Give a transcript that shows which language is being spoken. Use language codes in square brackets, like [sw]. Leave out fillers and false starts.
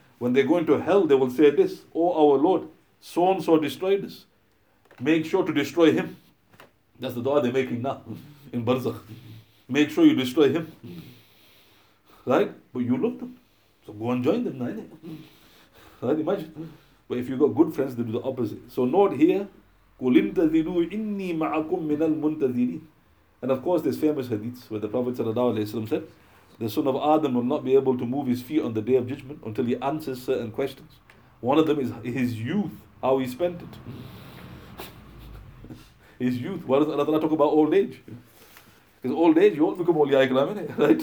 [en] When they go into hell, they will say this, oh our Lord, so-and-so destroyed us. Make sure to destroy him. That's the dua they're making now in Barzakh. Make sure you destroy him. Right? But you love them. So go and join them now, isn't it? Right? Imagine. But if you've got good friends, they do the opposite. So note here, [ar] قُلْ اِنْتَذِرُوا إِنِّي مَعَكُمْ مِنَ الْمُنْتَذِرِينَ. [en] And of course, there's famous hadiths where the Prophet said, the son of Adam will not be able to move his feet on the day of judgment until he answers certain questions. One of them is his youth, how he spent it. His youth. Why does Allah Ta'ala talk about old age? Because old age, you all become old, right?